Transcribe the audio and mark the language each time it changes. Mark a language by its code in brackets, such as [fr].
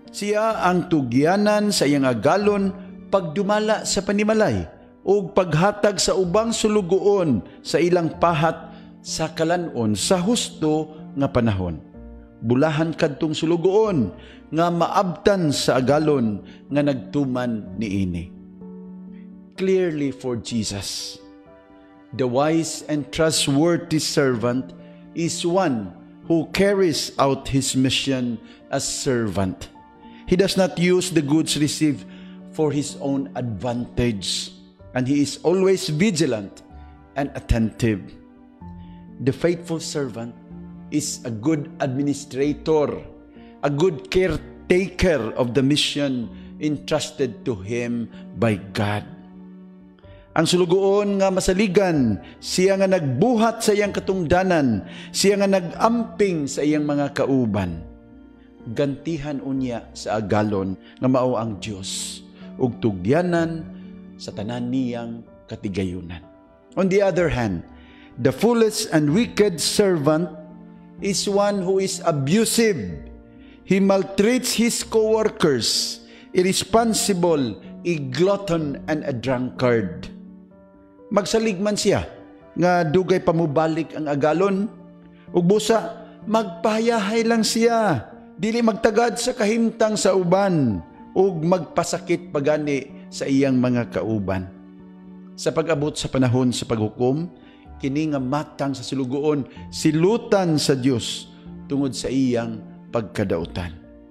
[ceb] Siya ang tugyanan sa iyang agalon pagdumala sa panimalay ug paghatag sa ubang sulugoon sa ilang pahat sa kalanon sa husto nga panahon. Bulahan kadtong sulugoon nga maabtan sa agalon nga nagtuman niini. [en] Clearly for Jesus, the wise and trustworthy servant is one who carries out his mission as servant. He does not use the goods received for his own advantage, and he is always vigilant and attentive. The faithful servant is a good administrator, a good caretaker of the mission entrusted to him by God. [ceb] Ang sulugoon nga masaligan, siya nga nagbuhat sa iyang katungdanan, siya nga nag-amping sa iyang mga kauban. Gantihan unya sa agalon nga mao ang Dios ug tugyanan sa tanan niyang katigayunan. [en] On the other hand, the foolish and wicked servant is one who is abusive. He maltreats his co-workers, irresponsible, a glutton, and a drunkard. [ceb] Magsaligman siya nga dugay pamubalik ang agalon. Ug busa, magpahayahay lang siya, dili magtagad sa kahimtang sa uban ug magpasakit pagani sa iyang mga kauban. Sa pag-abot sa panahon sa paghukom, kini nga matang sa sulugoon silutan sa Dios tungod sa iyang pagkadautan.